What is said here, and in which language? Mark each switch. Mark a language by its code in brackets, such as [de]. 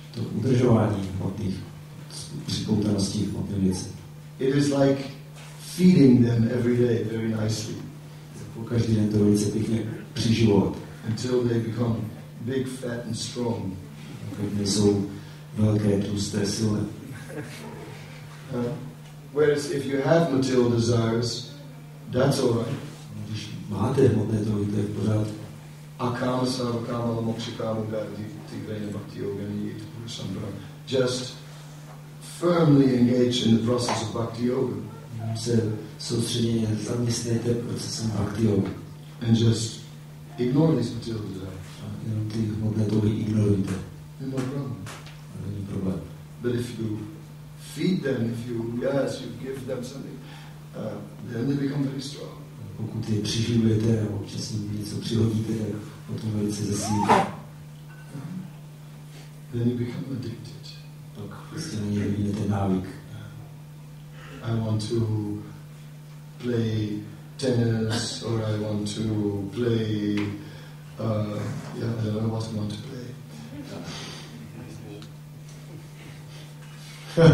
[cs] To udržování hmotných připoutanosti hmotné věci. [en] It is like feeding them every day very nicely. [cs] Každý den to velice pěkně přiživovat. [en] Until they become big, fat and strong. [cs] Když jsou velké, tlusté, silné. [en] Whereas if you have material desires, that's all right. [cs] Když máte hmotné touhy, to je v pořádku. [sa] A kama sarva kama la moksha kama gati tigrena bhakti yoga ni yita purusham brahma. [en] Just firmly engage in the process of bhakti yoga. [cs] Se soustředěně zaměstnejte procesem bhakti yoga. [en] And just Ignore this material desire. No problem. But if you feed them, if you, yes, you give them something, then they become very strong. [cs] Pokud je přiživujete a občas jim něco přihodíte, tak potom velice zesílí. [en] Then you become addicted. [cs] Tak prostě na něj vyvinete návyk. [en] I want to play tennis, or I want to play, I don't know what I want to play.